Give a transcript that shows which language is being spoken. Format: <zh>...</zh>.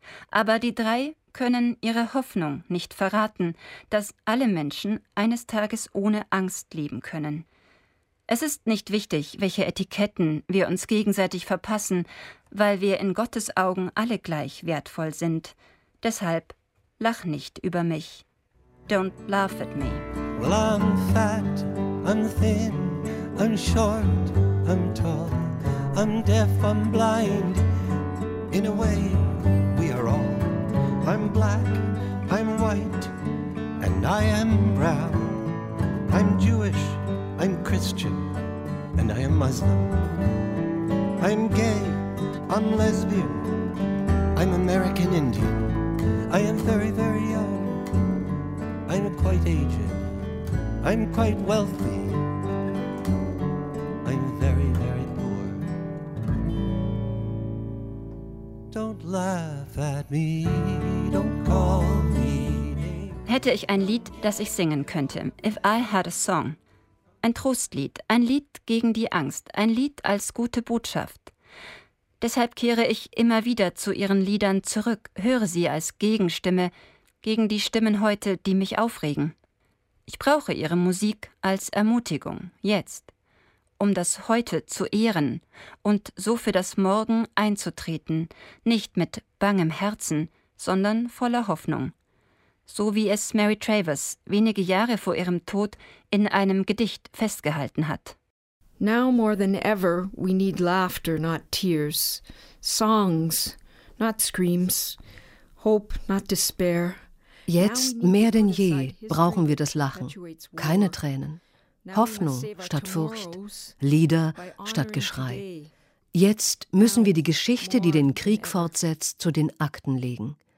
<de>Aber die drei können ihre Hoffnung nicht verraten, dass alle Menschen eines Tages ohne Angst leben können. Es ist nicht wichtig, welche Etiketten wir uns gegenseitig verpassen, weil wir in Gottes Augen alle gleich wertvoll sind. Deshalb lach nicht über mich.</de> <en>Don't laugh at me. Well, I'm fat, I'm thin, I'm short, I'm tall. I'm deaf, I'm blind. In a way, we are all. I'm black, I'm white, and I am brown. I'm Jewish, I'm Christian, and I am Muslim. I'm gay, I'm lesbian, I'm American Indian. I am very, very young, I'm quite aged. I'm quite wealthy, I'm very, very poor. Don't laugh at me, don't call me.</en> <de>Hätte ich ein Lied, das ich singen könnte,</de> <en>if I had a song.</en> <de>Ein Trostlied, ein Lied gegen die Angst, ein Lied als gute Botschaft. Deshalb kehre ich immer wieder zu ihren Liedern zurück, höre sie als Gegenstimme gegen die Stimmen heute, die mich aufregen. Ich brauche ihre Musik als Ermutigung, jetzt, um das Heute zu ehren und so für das Morgen einzutreten, nicht mit bangem Herzen, sondern voller Hoffnung. So wie es Mary Travers wenige Jahre vor ihrem Tod in einem Gedicht festgehalten hat.</de> <en>Now more than ever, we need laughter, not tears. Songs, not screams. Hope, not despair.</en> <de>Jetzt mehr denn je brauchen wir das Lachen, keine Tränen. Hoffnung statt Furcht, Lieder statt Geschrei. Jetzt müssen wir die Geschichte, die den Krieg fortsetzt, zu den Akten legen.</de>